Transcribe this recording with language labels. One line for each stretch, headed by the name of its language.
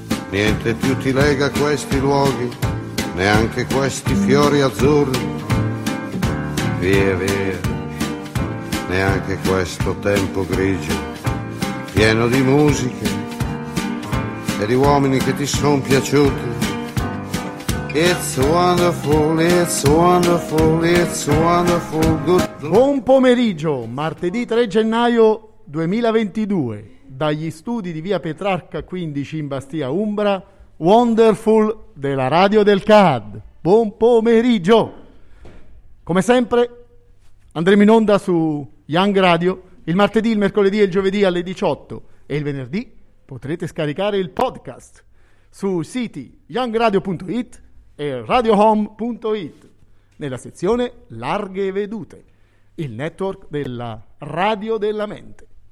Italian: Niente più ti lega a questi luoghi, neanche questi fiori azzurri. Via, via, neanche questo tempo grigio, pieno di musiche e di uomini che ti son piaciuti.
English: It's wonderful, it's wonderful, it's wonderful, good.
Italian: Buon pomeriggio, martedì 3 gennaio 2022, dagli studi di via Petrarca 15 in Bastia Umbra, Wonderful della Radio del CAD. Buon pomeriggio! Come sempre andremo in onda su Young Radio il martedì, il mercoledì e il giovedì alle 18 e il venerdì potrete scaricare il podcast su siti youngradio.it e radiohome.it nella sezione Larghe Vedute, il network della Radio della Mente.